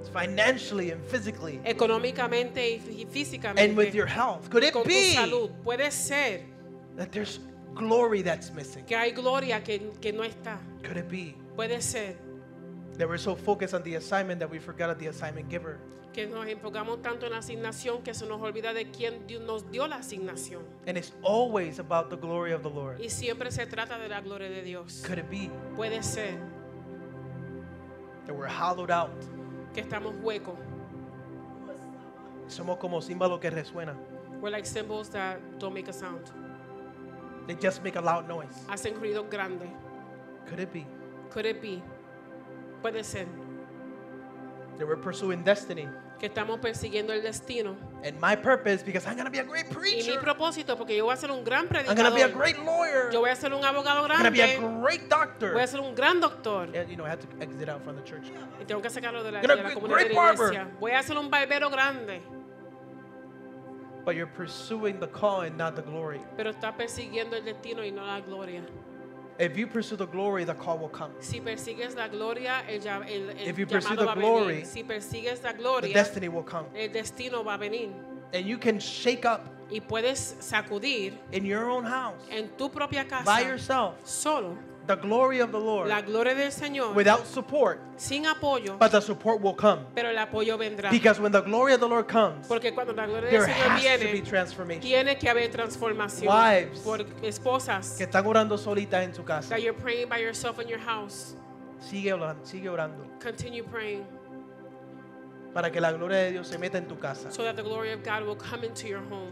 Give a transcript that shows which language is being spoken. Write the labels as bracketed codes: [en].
[en] Financially and physically. [es] Económicamente y físicamente. [en] And with your health. Could it be? [es] Con tu salud. Puede ser. [en] That there's glory that's missing. [es] Que hay gloria que no está. [en] Could it be? [es] Puede ser. [en] That we're so focused on the assignment that we forgot of the assignment giver. [es] Que nos enfocamos tanto en la asignación que se nos olvida de quién nos dio la asignación. [en] And it's always about the glory of the Lord. [es] Y siempre se trata de la gloria de Dios. [en] Could it be? [es] Puede ser. [en] That we're hollowed out. [es] Que estamos huecos. Somos como címbalo que resuena. [en] We're like cymbals that don't make a sound. They just make a loud noise. [es] Hacen ruido grande. [en] Could it be? Could it be? [es] Puede ser. [en] That we're pursuing destiny. [es] Que estamos persiguiendo el destino. [en] And my purpose, because I'm going to be a great preacher. [es] Y mi propósito, porque yo voy a ser un gran predicador. [en] I'm going to be a great lawyer. [es] Yo voy a ser un abogado grande. [en] I'm going to be a great doctor. [es] Voy a ser un gran doctor. [en] And, you know, I have to exit out from the church. [es] Y tengo que sacarlo de la comunidad de la iglesia. Voy a ser un barbero grande. [en] But you're pursuing the call and not the glory. [es] Pero está persiguiendo el destino y no la gloria. [en] If you pursue the glory, the call will come. [es] Si persigues la gloria, [en] if you pursue the glory, [es] si persigues la gloria, [en] the destiny will come. [es] El destino va a venir. [en] And you can shake up [es] y puedes sacudir [en] in your own house, [es] en tu propia casa, [en] by yourself, [es] solo, [en] the glory of the Lord, [es] la gloria del Señor, [en] without support, [es] sin apoyo, [en] but the support will come. [es] Pero el apoyo vendrá. [en] Because when the glory of the Lord comes, [es] porque cuando la gloria [en] there [es] del Señor [en] has [es] viene, [en] to be transformation. [es] Tiene que haber transformación. [en] Wives, [es] por esposas, que están orando solitas en su casa, [en] that you're praying by yourself in your house, [es] sigue orando. [en] Continue praying. [es] Para que la gloria de Dios se meta en tu casa. [en] So that the glory of God will come into your home.